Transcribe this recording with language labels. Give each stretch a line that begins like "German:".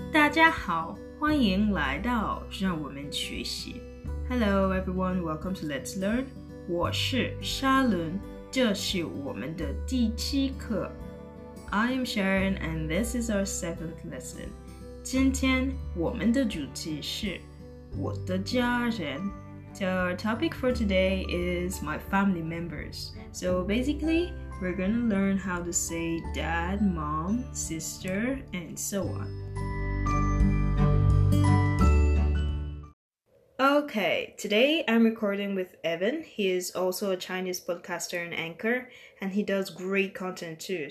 Chinese: 家好，欢迎来到让我们学习。
English: Hello everyone, welcome to Let's Learn.
Chinese: 我是沙伦，这是我们的第七课。
English: I am Sharon, and this is our seventh lesson.
Chinese: 今天我们的主题是我的家人。
English: So our topic for today is my family members. So basically, we're going to learn how to say dad, mom, sister, and so on. Okay, today I'm recording with Evan. He is also a Chinese podcaster and anchor, and he does great content too.